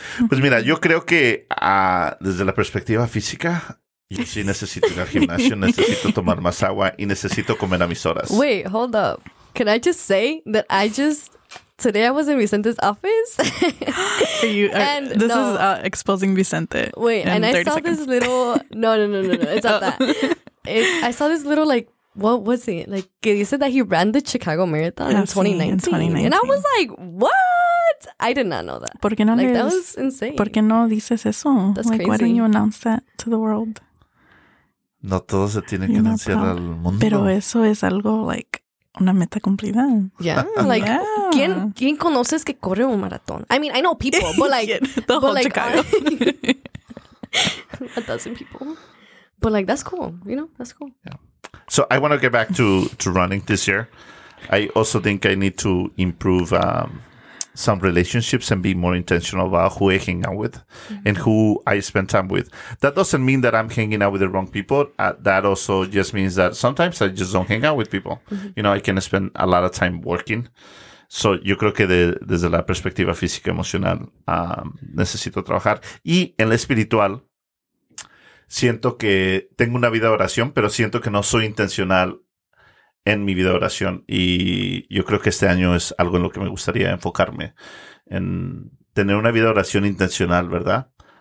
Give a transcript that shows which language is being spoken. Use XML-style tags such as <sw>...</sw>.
<es>Pues mira, yo creo que desde la perspectiva física, yo sí necesito ir al gimnasio, necesito tomar más agua y necesito comer a mis horas.</es> <en>Wait, hold up. Can I just say that I just... Today I was in Vicente's office. This is exposing Vicente. Wait, and I saw seconds. This little... No. It's not that. I saw this little, like, what was it? Like,</en> <es>que dice</es> <en>that he ran the Chicago Marathon in 2019. And I was like, what? I did not know that.</en> <es>¿Por qué no</es> <en>like,</en> <es>eres,</es> <en>that was insane.</en> <es>¿Por qué no dices eso?</es> <en>That's like, crazy. Why didn't you announce that to the world?</en> <es>No todo se tiene que anunciar al mundo. Pero eso es algo, like, una meta cumplida.</es> <en>Yeah. Like, yeah.</en> <es>¿Quién conoces que corre un maratón?</es> <en>I mean, I know people, but like... the whole Chicago. 1,000 people. But like, that's cool. You know, that's cool. Yeah. So I want to get back to running this year. I also think I need to improve some relationships and be more intentional about who I hang out with and who I spend time with. That doesn't mean that I'm hanging out with the wrong people. That also just means that sometimes I just don't hang out with people. Mm-hmm. You know, I can spend a lot of time working.</en> <es>So yo creo que desde la perspectiva física emocional necesito trabajar. Y en la espiritual, siento que tengo una vida de oración, pero siento que no soy intencional en mi vida de oración. Y yo creo que este año es algo en lo que me gustaría enfocarme, en tener una vida de oración intencional, ¿verdad?</es>